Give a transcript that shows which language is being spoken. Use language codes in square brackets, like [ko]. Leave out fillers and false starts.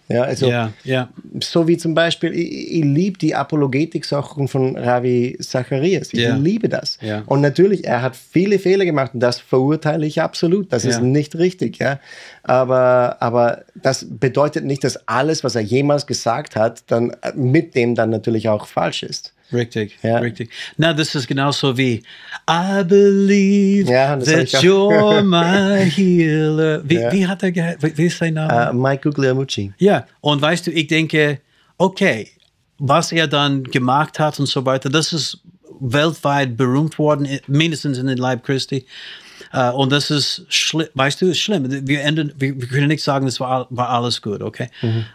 [de] Ja, also so wie zum Beispiel, ich liebe die Apologetik-Sachen von Ravi Zacharias. Ich liebe das. [en] Yeah. [de] Und natürlich, er hat viele Fehler gemacht und das verurteile ich absolut. Das ist nicht richtig. Ja. Aber das bedeutet nicht, dass alles, was er jemals gesagt hat, dann mit dem dann natürlich auch falsch ist. Richtig, richtig. [en] Now, this is [de] genauso wie [en] I believe that you're my healer. [de] Wie hat er gehört? Wie ist sein Name? Mike Guglielmucci. Ja, und weißt du, ich denke, okay, was er dann gemacht hat und so weiter, das ist weltweit berühmt worden, mindestens in den Leib Christi. Und das ist schlimm, weißt du, ist schlimm. Wir können nicht sagen, das war alles gut, okay? Mhm.